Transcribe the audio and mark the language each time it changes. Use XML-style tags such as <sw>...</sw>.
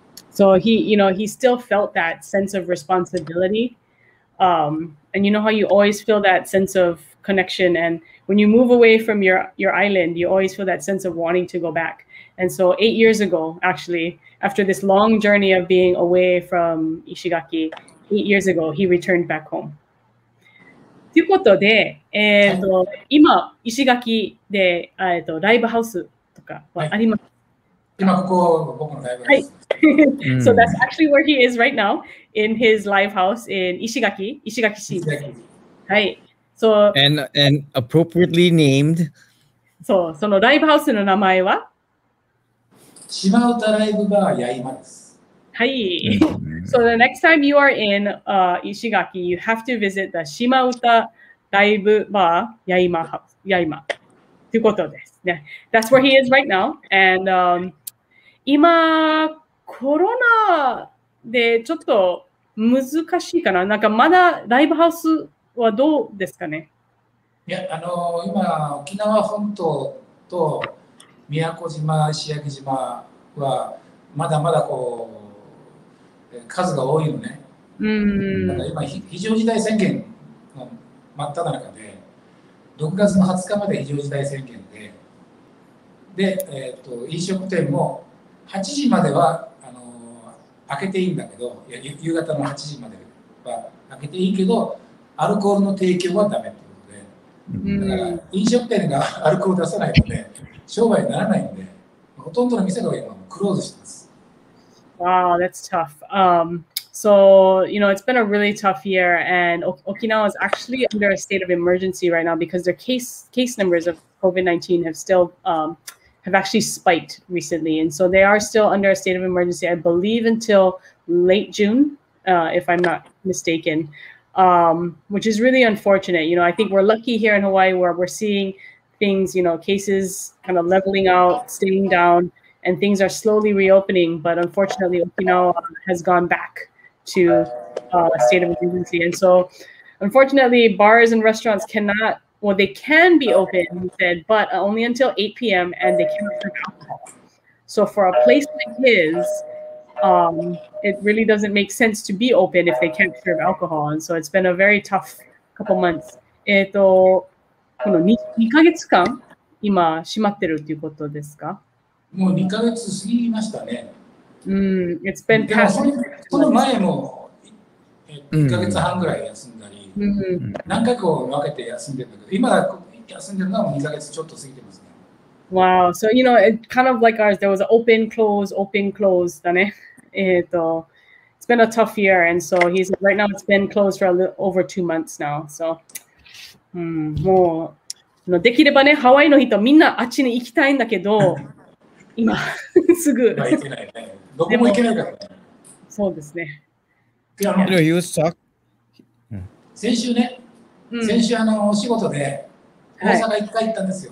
<en>So he, you know, he still felt that sense of responsibility. And you know how you always feel that sense of connection. And when you move away from your island, you always feel that sense of wanting to go back. And so 8 years ago, actually, after this long journey of being away from Ishigaki, 8 years ago, he returned back home.</en> <ja>ということで、今、石垣で、ライブハウスとかはあります。はい、今、ここ、僕のライブハウスです。はい。</ja> <en>So that's actually where he is right now, in his live house in 石垣、石垣市。</en> <ja>はい。So,</ja> <en>and appropriately named.</en> <ja>So, そのライブハウスの名前は島唄ライブバーやいまです。はい。</ja> <en>So the next time you are in Ishigaki, you have to visit the Shimauta Daibu Bar Yaima House, Yaima.</en> <ja>ということです、ね、</ja> <en>That's where he is right now.</en> <ja>And 今コロナでちょっと難しいかな。なんかまだライブハウスはどうですかね。いや、今沖縄本島と宮古島、石垣島はまだまだこう数が多いのね。だから今非常事態宣言の真っ只中で、6月の20日まで非常事態宣言で、で、飲食店も8時までは開けていいんだけど、いや、夕方の8時までは開けていいけど、アルコールの提供はダメってことで、だから飲食店がアルコール出さないとね、商売にならないんで、ほとんどの店が今もクローズしてます。</ja> <en>Wow, that's tough. So, you know, it's been a really tough year, and Okinawa is actually under a state of emergency right now because their case numbers of COVID-19 have still have actually spiked recently. And so they are still under a state of emergency, I believe, until late June, if I'm not mistaken, which is really unfortunate. You know, I think we're lucky here in Hawaii where we're seeing things, you know, cases kind of leveling out, staying down. And things are slowly reopening, but unfortunately, Okinawa has gone back to a state of emergency. And so, unfortunately, bars and restaurants cannot, well, they can be open, he said, but only until 8 p.m. and they cannot drink alcohol. So for a place like his, it really doesn't make sense to be open if they can't serve alcohol. And so it's been a very tough couple months.</en> <ja>この2ヶ月間今閉まってるということですか? もう2ヶ月過ぎましたね。</ja> <en>It's been past.</en> <ja>その前も1ヶ月半ぐらい休んだり、何回か分けて休んでたけど、今休んでるのはもう2ヶ月ちょっと過ぎてますね。</ja> <en>Wow, so you know, it kind of like ours, there was an open, close, open, close だね。 It's been a tough year, and so he's right now it's been closed for over 2 months now.</en> <ja>So, もう、できればね、ハワイの人みんなあっちに行きたいんだけど、今すぐ。どこも行けないから、ね。そうですね。</ja> <en>You know, you suck.</en> <ja>先週ね、先週お仕事で大阪一回行ったんですよ。</ja>